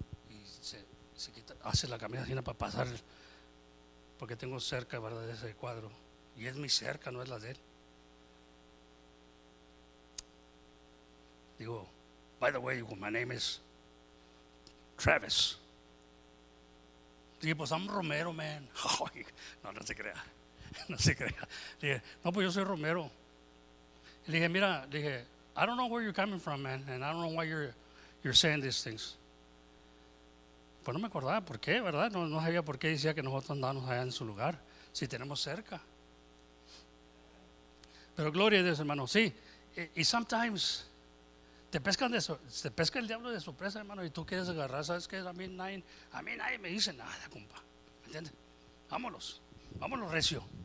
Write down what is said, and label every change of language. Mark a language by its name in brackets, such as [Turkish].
[Spanish] Y se quita, hace la camisa así para pasar. Porque tengo cerca, ¿verdad?, de ese cuadro. Y es mi cerca, no es la de él. Digo, [English] by the way, my name is Travis. [Spanish] Dije, pues [English] I'm Romero, man. [Spanish] No, no se crea. No se crea. Le dije, no, pues yo soy Romero. Y le dije, mira, le dije, [English] I don't know where you're coming from, man, and I don't know why you're saying these things. [Spanish] Pues no me acordaba por qué, ¿verdad? No sabía por qué decía que nosotros andamos allá en su lugar, si tenemos cerca. Pero gloria a Dios, hermano, sí. Y [English] sometimes [Spanish] te pesca el diablo de sorpresa, hermano, y tú quieres agarrar, ¿sabes qué? A mí nadie me dice nada, compa. ¿Me entiendes? Vámonos. Vámonos recio.